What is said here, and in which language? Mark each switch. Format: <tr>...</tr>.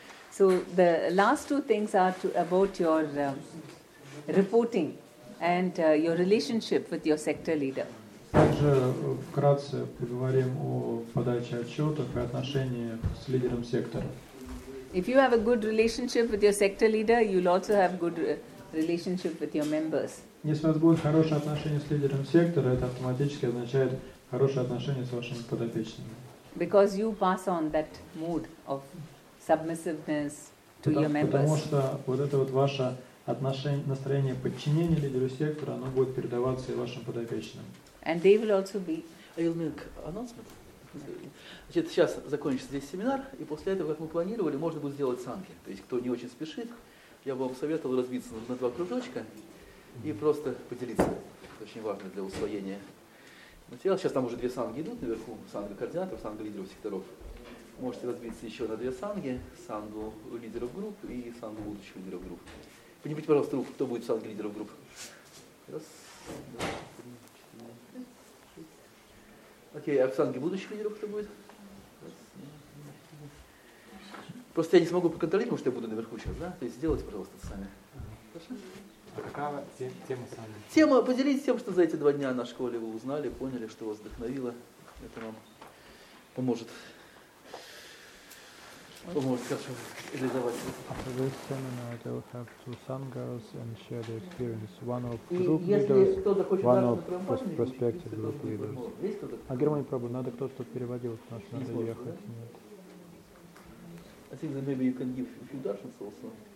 <en>So the last 2 things are about your reporting and your relationship with your sector leader.</en> <ru>Также вкратце поговорим о подаче отчетов и отношениях с лидером сектора.</ru> <en>If you have a good relationship with your sector leader, you'll also have good relationship with your members.</en> <ru>Если у вас будет хорошее отношение с лидером сектора, это автоматически означает хорошее отношение с вашими подопечными.</ru> <en>Because you pass on that mood of submissiveness to your members.</en> <ru>Потому что вот это вот ваше отношение, настроение подчинения лидеру сектора, оно будет передаваться и вашим подопечным.</ru> <en>And they will also be. You'll make announcement.</en> <ru>Значит, сейчас закончится здесь семинар, и после этого, как мы планировали, можно будет сделать санки. То есть, кто не очень спешит, я бы вам советовал разбиться на 2 кружочка и просто поделиться. Это очень важно для усвоения материала. Сейчас там уже 2 санги идут наверху, санга координаторов, санга лидеров секторов. Можете разбиться еще на 2 санги, сангу лидеров групп и сангу будущих лидеров групп. Поднимите, пожалуйста, руку, кто будет в санге лидеров групп. Раз, два. Окей, а в санге будущих лидеров кто будет? Просто я не смогу поконтролировать, потому что я буду наверху сейчас, да? То есть сделайте, пожалуйста, сами. Хорошо? А какова тема санги? Тема, поделитесь тем, что за эти 2 дня на школе вы узнали, поняли, что вас вдохновило. Это вам поможет.</ru> <en>After this seminar, they will have 2 sanghas and share their experience. One of group</en> <ru>и</ru> <en>leaders, one of prospective group leaders.</en> <ru>А Германе пробу, надо кто-то переводил, потому что надо ехать.</ru> <en>I think that maybe you can give a few darshans also.</en>